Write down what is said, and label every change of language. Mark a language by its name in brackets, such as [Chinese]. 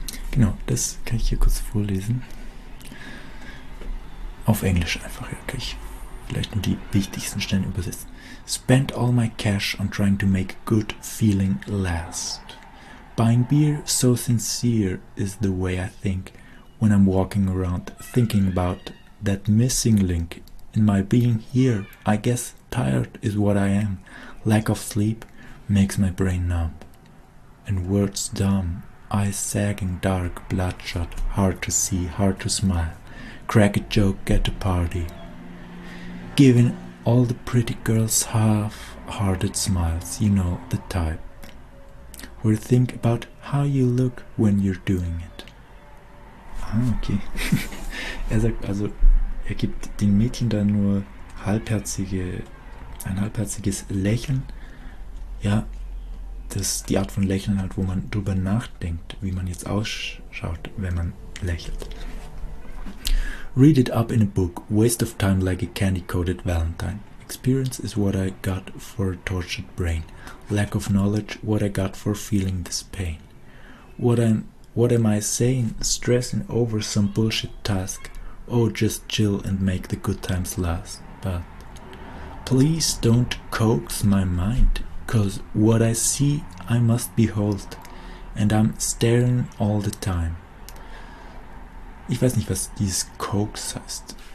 [German] Genau, das kann ich hier kurz vorlesen. Auf Englisch einfach, ja, kann ich vielleicht nur die wichtigsten Stellen übersetzen. [English] Spent all my cash on trying to make good feeling last. Buying beer so sincere is the way I think. When I'm walking around thinking about that missing link in my being here, I guess tired is what I am. Lack of sleep makes my brain numb. And words dumb, eyes sagging, dark, bloodshot, hard to see, hard to smile. Crack a joke at a party. Giving all the pretty girls half-hearted smiles, you know, the type. Where think about how you look when you're doing it. Ah, okay. [German] Er sagt also, er gibt den Mädchen dann nur ein halbherziges Lächeln. Ja, das ist die Art von Lächeln halt, wo man drüber nachdenkt, wie man jetzt ausschaut, wenn man lächelt. [English] Read it up in a book. Waste of time like a candy-coated Valentine. Experience is what I got for a tortured brain. Lack of knowledge, what I got for feeling this pain. What am I saying? Stressing over some bullshit task. Oh, just chill and make the good times last. But please don't coax my mind, 'cause what I see I must behold, and I'm staring all the time. [German] Ich weiß nicht, was dieses coax heißt.